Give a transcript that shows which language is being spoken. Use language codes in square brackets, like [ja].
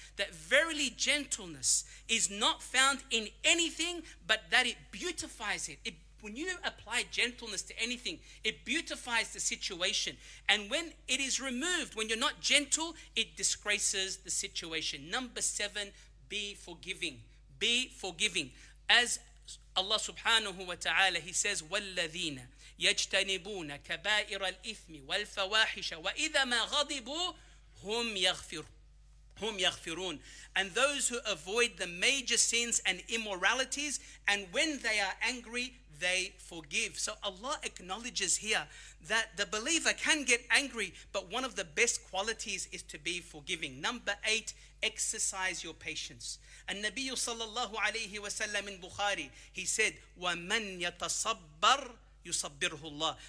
[en] That verily gentleness is not found in anything, but that it beautifies it. When you apply gentleness to anything, it beautifies the situation. And when it is removed, when you're not gentle, it disgraces the situation. Number seven, be forgiving. Be forgiving. As Allah subhanahu wa ta'ala, he says, [ar] وَالَّذِينَ يَجْتَنِبُونَ كَبَائِرَ الْإِثْمِ وَالْفَوَاحِشَ وَإِذَا مَا غَضِبُوا هُمْ يَغْفِرُونَ. [en] And those who avoid the major sins and immoralities, and when they are angry, they forgive. So Allah acknowledges here that the believer can get angry, but one of the best qualities is to be forgiving. Number eight, exercise your patience. And Nabi sallallahu alayhi wa sallam in Bukhari, he said, [ar] وَمَنْ يَتَصَبَّرْ يُصَبِّرْهُ اللَّهِ.